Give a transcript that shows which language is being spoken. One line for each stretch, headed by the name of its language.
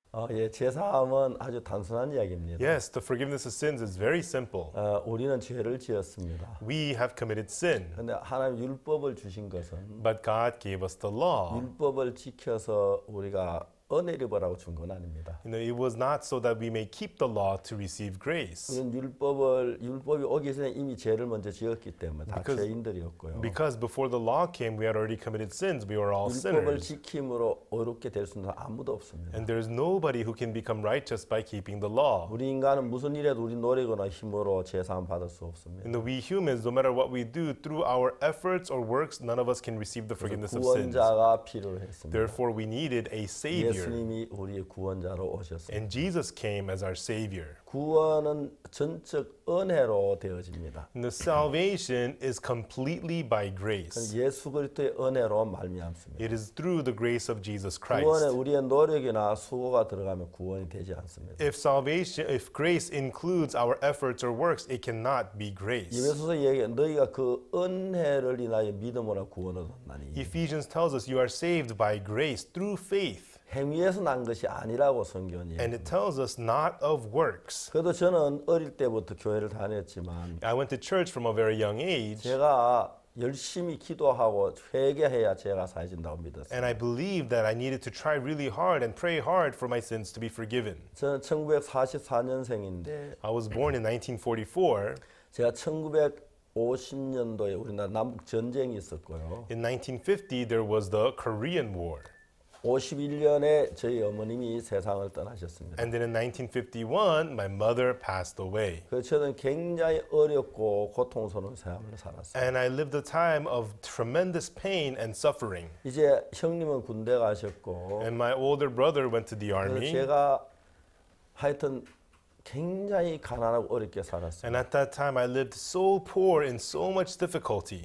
Korean: 예, 죄사함은 아주 단순한 이야기입니다.
English: Yes, the forgiveness of sins is very simple.
Korean: 우리는 죄를 지었습니다.
English: We have committed sin.
Korean: 근데 하나님 율법을 주신 것은
English: But God gave us the law.
Korean: 율법을 지켜서 우리가 은혜를 받으라고 준 건 아닙니다.
English: You know, it was not so that we may keep the law to receive grace.
Korean: 율법이 오기 전에 이미 죄를 먼저 지었기 때문에 다 죄인들이었고요.
English: Because before the law came, we had already committed sins. We were all
Korean: 율법을
English: sinners.
Korean: 율법을 지킴으로 의롭게 될 수는 아무도 없습니다.
English: And there is nobody who can become righteous by keeping the law.
Korean: 우리 인간은 무슨 일에도 우리 노력이나 힘으로 죄사함 받을 수 없습니다.
English: And we humans, no matter what we do, through our efforts or works, none of us can receive the forgiveness of sins.
Korean: 구원자가 필요했습니다.
English: Therefore, we needed a savior.
Korean: 예수님이 우리의 구원자로 오셨습니다.
English: And Jesus came as our savior.
Korean: 구원은 전적 은혜로 되어집니다.
English: And the salvation is completely by grace.
Korean: 예수 그리스도의 은혜로 말미암습니다.
English: It is through the grace of Jesus Christ.
Korean: 구원에 우리의 노력이나 수고가 들어가면 구원이 되지 않습니다.
English: If salvation, if grace includes our efforts or works, it cannot be grace.
Korean: 예수님이 얘기한 너희가 그 은혜를 인하여 믿음으로 구원을 얻나니.
English: Ephesians tells us you are saved by grace through faith.
Korean: 행위에서 난 것이 아니라고 성경이.
English: And it tells us not of works.
Korean: 그래도 저는 어릴 때부터 교회를 다녔지만.
English: I went to church from a very young age.
Korean: 제가 열심히 기도하고 회개해야 죄가 사해진다고 믿었어요.
English: And I believed that I needed to try really hard and pray hard for my sins to be forgiven.
Korean: 저는 1944년생인데.
English: I was born in 1944.
Korean: 제가 1950년도에 우리나라 남북 전쟁이 있었고요.
English: In 1950, there was the Korean War.
Korean: 51년에 저희 어머님이 세상을 떠나셨습니다.
English: And then in 1951, my mother passed away.
Korean: 저는 굉장히 어렵고 고통스러운 삶을 살았습니다.
English: And I lived a time of tremendous pain and suffering.
Korean: 이제 형님은 군대 가셨고
English: And my older brother went to the army.
Korean: 제가 하여튼 굉장히 가난하고 어렵게 살았어요.
English: And at that time, I lived so poor in so much difficulty.